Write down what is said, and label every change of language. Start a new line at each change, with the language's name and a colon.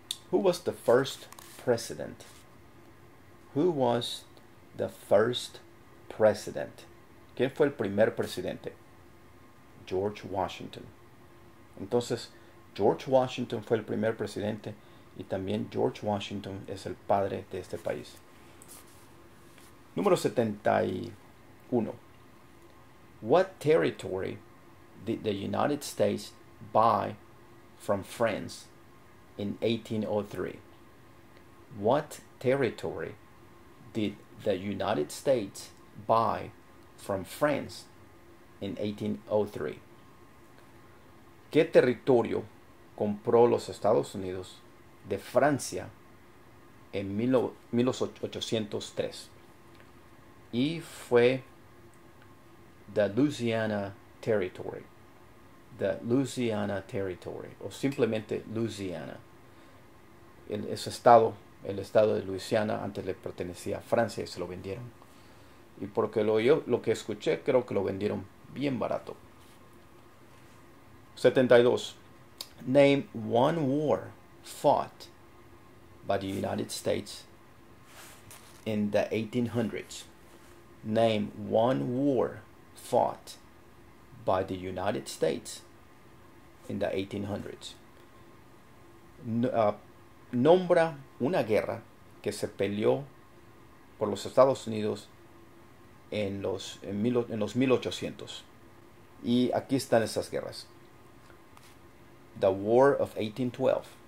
English: Who was the first president? Who was the first president?
Spanish: ¿Quién fue el primer presidente? George Washington. Entonces, George Washington fue el primer presidente y también George Washington es el padre de este país. Número 71.
English: What territory did the United States buy from France in 1803? What territory did the United States buy from France in 1803?
Spanish: ¿Qué territorio compró los Estados Unidos de Francia en 1803? Y fue the Louisiana Territory. The Louisiana Territory, o simplemente Louisiana. El estado de Luisiana antes le pertenecía a Francia y se lo vendieron. Y porque lo que escuché, creo que lo vendieron bien barato. 72.
English: Name one war fought by the United States in the 1800s. Name one war fought by the United States in the 1800s.
Spanish: Nombra una guerra que se peleó por los Estados Unidos en los 1800. Y aquí están esas guerras. The War of 1812.